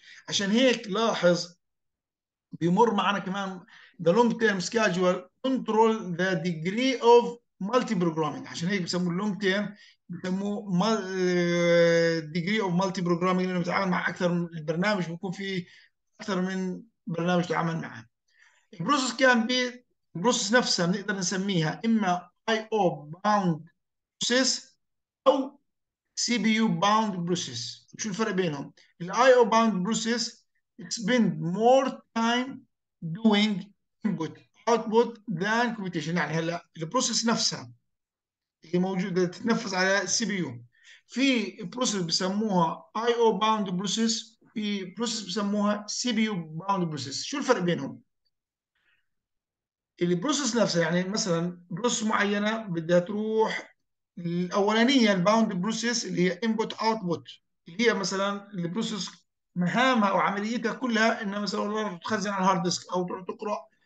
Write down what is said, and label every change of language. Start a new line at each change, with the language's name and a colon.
Arabic: عشان هيك لاحظ بيمر معنا كمان
English: the long term schedule control the degree of multi programming.
Arabic: عشان هيك بسموه long term، بسموه degree of multi programming لانه بتعامل مع اكثر من البرنامج، بيكون فيه اكثر من برنامج تعامل معه. البروسيس كان بي البروسيس نفسها بنقدر نسميها اما IO bound process او CPU bound process. شو الفرق بينهم؟
English: ال IO bound process expend more time doing input output than computation.
Arabic: يعني هلا البروسيس نفسها هي موجوده تتنفذ على السي بي يو، في بروسيس بسموها اي او باوند بروسيس، في بروسيس بسموها سي بي يو باوند بروسيس. شو الفرق بينهم؟ البروسيس نفسها يعني مثلا بروسيس معينه بدها تروح الاولانيه الباوند بروسيس اللي هي انبوت اوتبوت، اللي هي مثلا البروسيس مهامها او عمليتها كلها انها مثلا والله تخزن على الهارد ديسك او تقرا